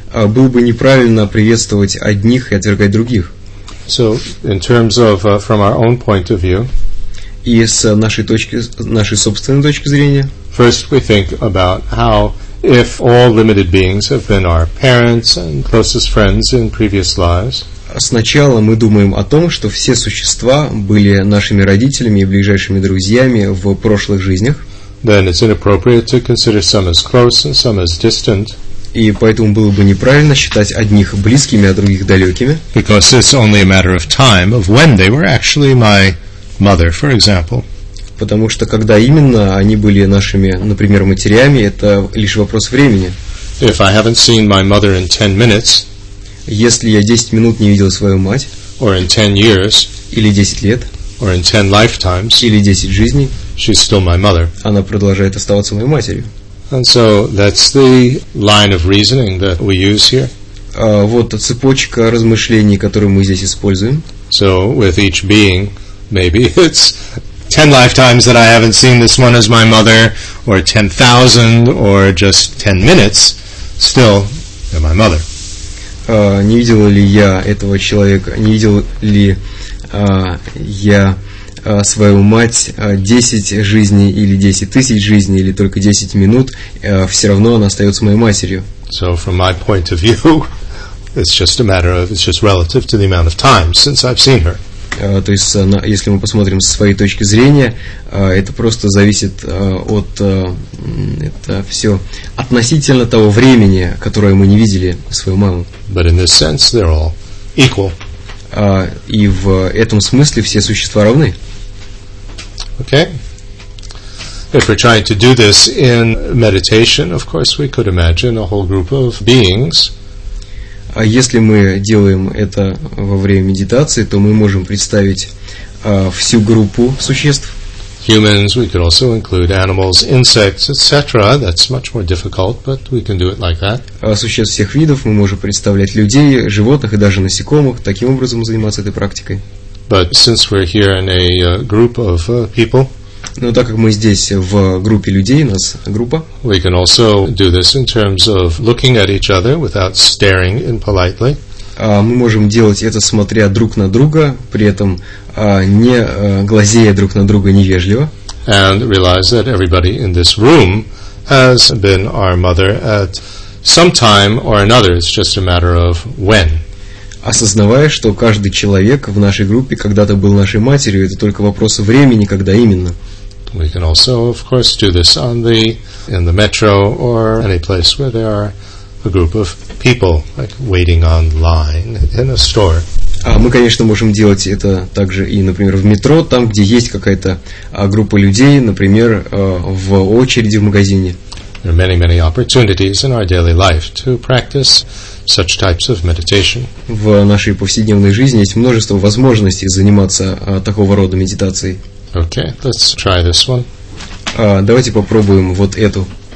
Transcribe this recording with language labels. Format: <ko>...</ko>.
<ru>Было бы неправильно приветствовать одних и отвергать других.</ru> <en>So, in terms of from our own point of view,</en> <ru>и с нашей точки, нашей собственной точки зрения,</ru> <en>first we think about how if all limited beings have been our parents and closest friends in previous lives.</en> <ru>Сначала мы думаем о том, что все существа были нашими родителями и ближайшими друзьями в прошлых жизнях.</ru> <en>Then it's inappropriate to consider some as close and some as distant.</en> <ru>И поэтому было бы неправильно считать одних близкими, а других далекими.</ru> <en>Because it's only a matter of time of when they were actually my mother, for example.</en> <ru>Потому что когда именно они были нашими, например, матерями, это лишь вопрос времени.</ru> <en>If I haven't seen my mother in 10 minutes,</en> <ru>если я 10 минут не видел свою мать,</ru> <en>or in 10 years,</en> <ru>или 10 лет,</ru> <en>or in 10 lifetimes,</en> <ru>или 10 жизней,</ru> <en>she's still my mother.</en> <ru>Она продолжает оставаться моей матерью.</ru> <en>And so that's the line of reasoning that we use here.</en> <ru>Вот цепочка размышлений, которую мы здесь используем.</ru> <en>So with each being, maybe it's 10 lifetimes that I haven't seen this one as my mother, or 10,000, or just 10 minutes, still they're my mother.</en> <ru>Не видел ли я этого человека, не видел ли я свою мать 10 жизней или 10 тысяч жизней или только 10 минут, все равно она остается моей матерью.</ru> <en>So from my point of view, it's just a matter of, it's just relative to the amount of time since I've seen her.</en> <ru>То есть, если мы посмотрим со своей точки зрения, это просто зависит от, это все относительно того времени, которое мы не видели свою маму.</ru> <en>But in this sense, they're all equal.</en> <ru>И в этом смысле все существа равны.</ru> <en>Okay. If we're trying to do this in meditation, of course, we could imagine a whole group of beings.</en> <ru>А если мы делаем это во время медитации, то мы можем представить всю группу существ.</ru> <en>Humans, we could also include animals, insects, etc. That's much more difficult, but we can do it like that.</en> <ru>Существ всех видов мы можем представлять людей, животных и даже насекомых, таким образом заниматься этой практикой.</ru> <en>But since we're here in a group of people,</en> <ru>но так как мы здесь в группе людей, у нас группа,</ru> <en>we can also do this in terms of looking at each other without staring impolitely.</en> <ru>Мы можем делать это, смотря друг на друга, при этом не глазея друг на друга невежливо.</ru> <en>And realize that everybody in this room has been our mother at some time or another. It's just a matter of when.</en> <ru>Осознавая, что каждый человек в нашей группе когда-то был нашей матерью, это только вопрос времени, когда именно.</ru> <en>We can also, of course, do this on the in the metro or any place where there are a group of people like waiting on line in a store.</en> <ru>Мы, конечно, можем делать это также и, например, в метро, там, где есть какая-то группа людей, например, в очереди в магазине.</ru> <en>There are many, many opportunities in our daily life to practice such types of meditation.</en> <ru>В нашей повседневной жизни есть множество возможностей заниматься такого рода медитацией.</ru> <en>Okay, let's try this one.</en> <ru>Давайте попробуем вот эту.</ru>